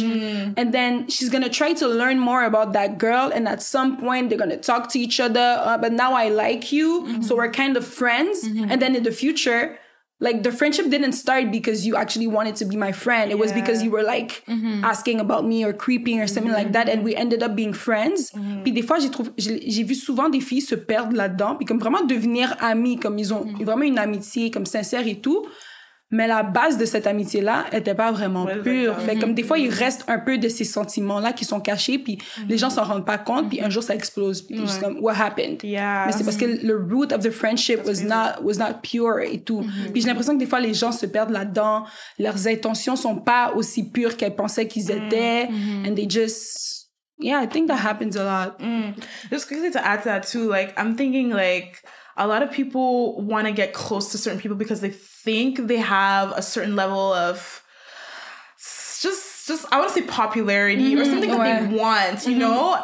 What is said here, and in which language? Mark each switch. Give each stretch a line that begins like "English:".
English: And then she's gonna try to learn more about that girl, and at some point they're gonna talk to each other, but now I like you, so we're kind of friends. And then in the future, like, the friendship didn't start because you actually wanted to be my friend. It was because you were, like, asking about me or creeping or something like that. And we ended up being friends.
French: Puis des fois, j'ai vu souvent des filles se perdre là-dedans. Puis comme vraiment devenir amies, comme ils ont vraiment une amitié, comme sincère et tout. Mais la base de cette amitié-là était pas vraiment pure. Fait comme des fois, il reste un peu de ces sentiments-là qui sont cachés, puis les gens s'en rendent pas compte, puis un jour, ça explose. Puis juste comme,
English: what happened?
French: Mais c'est parce que le
English: root of the friendship was not pure
French: et tout. Puis j'ai l'impression que des fois, les gens se perdent là-dedans. Leurs intentions sont pas aussi pures qu'elles pensaient qu'ils étaient.
English: And they just... Yeah, I think that happens a lot. Just quickly to add to that too, like, I'm thinking, like, a lot of people want to get close to certain people because they think they have a certain level of just just, I want to say popularity or something that they want, you know?